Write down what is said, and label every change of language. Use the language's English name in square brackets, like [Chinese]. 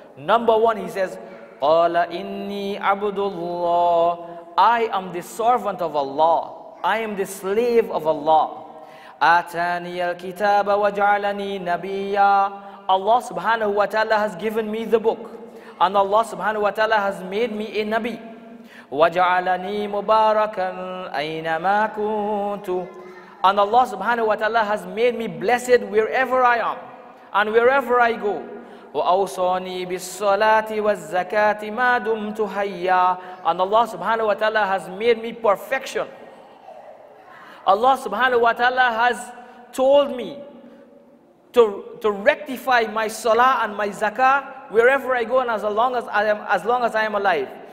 [English] Number one, he says, [Arabic] قَالَ إِنِّي عَبْدُ اللَّهِ. [English] I am the servant of Allah. I am the slave of Allah. [Arabic] أَتَانِيَ الْكِتَابَ وَجَعَلَنِي نَبِيًّا. [English] Allah subhanahu wa ta'ala has given me the book, and Allah subhanahu wa ta'ala has made me a Nabi. [Arabic] وَجَعَلَنِي مُبَارَكًا أَيْنَمَا كُنتُ. [English] And Allah subhanahu wa ta'ala has made me blessed wherever I am and wherever I go. [Arabic] وَأَوْصَانِي بِالصَّلَاةِ وَالزَّكَاةِ مَا دُمْتُ حَيَّا. [English] And Allah subhanahu wa ta'ala has made me perfection. Allah subhanahu wa ta'ala has told me to rectify my salah and my zakah wherever I go and as long as I am alive.